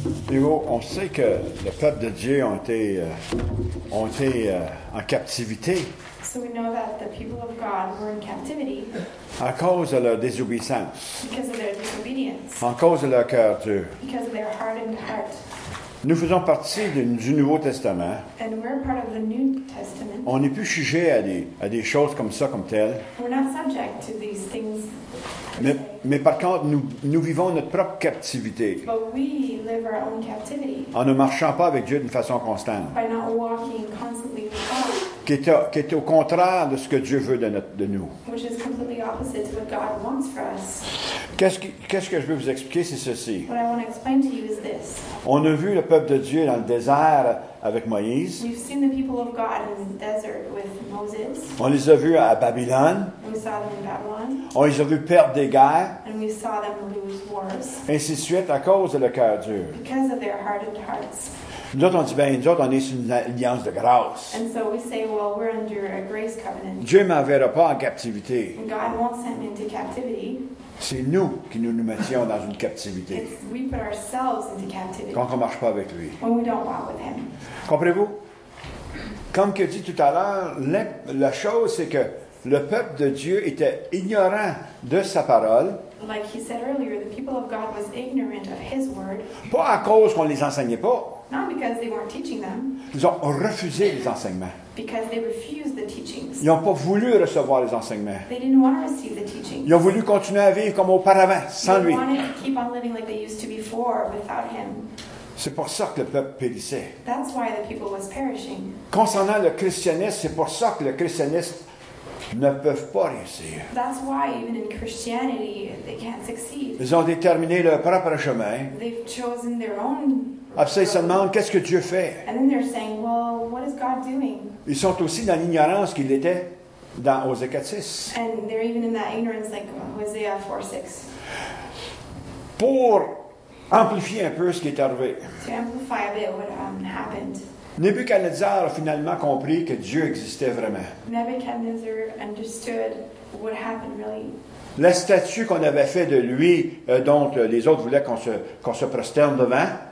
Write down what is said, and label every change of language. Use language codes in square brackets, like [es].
[fr] Hugo, on sait que le peuple de Dieu ont été en captivité. [en] So we know that the people of God were in captivity. [fr] À cause de leur désobéissance. [en] Because of their disobedience. [fr] En cause de leur cœur dur. [en] Because of their hardened heart. [fr] Nous faisons partie du Nouveau Testament. [en] And we're part of the New Testament. [fr] On n'est plus sujet à des choses comme ça, comme telles. [en] We're not subject to these things. [fr] Mais par contre, nous vivons notre propre captivité. [en] But we live our own captivity. [fr] En ne marchant pas avec Dieu d'une façon constante. [en] By not walking constantly with God. [fr] qui est au contraire de ce que Dieu veut de nous. [en] Which is completely opposite to what God wants for us. [fr] Qu'est-ce que je veux vous expliquer, c'est ceci. [en] What I want to explain to you is this. [fr] On a vu le peuple de Dieu dans le désert avec Moïse. [en] We've seen the people of God in the desert with Moses. [fr] On les a vus à Babylone. [en] We saw them in Babylon. [fr] On les a vus perdre des guerres. [en] And we saw them lose wars. [fr] Ainsi de suite à cause de leur cœur dur. [en] Because of their hardened hearts. [fr] Nous autres, on dit, bien, nous autres, on est sur une alliance de grâce. [en] And so we say, well, we're under a grace covenant. [fr] Dieu ne m'enverra pas en captivité. [en] God won't send me into captivity. [fr] C'est nous qui nous mettions dans une captivité. [en] We put ourselves into captivity. [fr] Quand on ne marche pas avec lui. [en] When we don't walk with him. [fr] Comprenez-vous? Comme que dit tout à l'heure, la chose, c'est que le peuple de Dieu était ignorant de sa parole. [en] Like he said earlier, the people of God was ignorant of his word. [fr] Pas à cause qu'on ne les enseignait pas. [en] Not because they weren't teaching them. [fr] Ils ont refusé les enseignements. [en] Because they refused the teachings. [fr] Ils n'ont pas voulu recevoir les enseignements. [en] They didn't want to receive the teachings. [fr] Ils ont voulu continuer à vivre comme auparavant, sans lui. [en] They wanted to keep on living like they used to before without him. [fr] C'est pour ça que le peuple périssait. [en] That's why the people was perishing. [fr] Concernant le christianisme, c'est pour ça que le christianisme ne peuvent pas réussir. [en] That's why, even in Christianity, they can't succeed. [fr] Ils ont déterminé leur propre chemin. [en] They've chosen their own. [fr] Après, ils se demandent, qu'est-ce que Dieu fait? [en] And then they're saying, well, what is God doing? [fr] Ils sont aussi dans l'ignorance qu'ils étaient dans Hosea 4:6. [en] And they're even in that ignorance like Hosea 4:6. [fr] Pour amplifier un peu ce qui est arrivé. [en] To amplify a bit what happened. [fr] Nebuchadnezzar a finalement compris que Dieu existait vraiment. [en] Nebuchadnezzar understood what happened really. [fr] La statue qu'on avait faite de lui, dont les autres voulaient qu'on se prosterne devant.